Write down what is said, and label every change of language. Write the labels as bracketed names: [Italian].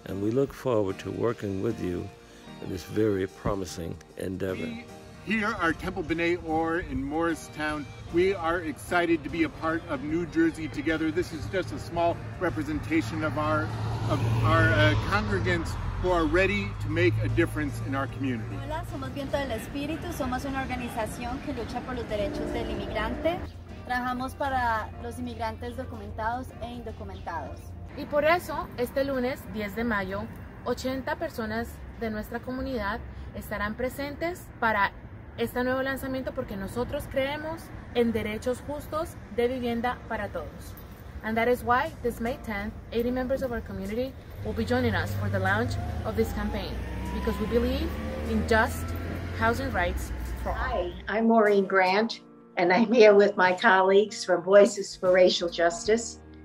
[English] And we look forward to working with you in this very promising endeavor. Here are Temple B'nai Or in Morristown. We are excited to be a part of New Jersey Together. This is just a small representation of our congregants who are ready to make a difference in our community. [Spanish] Hola, somos Viento del Espíritu. Somos una organización que lucha por los derechos del inmigrante. Trabajamos para los inmigrantes documentados e indocumentados. Y por eso, este lunes 10 de mayo, 80 personas de nuestra comunidad estarán presentes para este nuevo lanzamiento porque nosotros creemos en derechos justos de vivienda para todos. [English] And that is why this May 10th, 80 members of our community will be joining us for the launch of this campaign because we believe in just housing rights for all. Hi, I'm Maureen Grant, and I'm here with my colleagues from Voices for Racial Justice.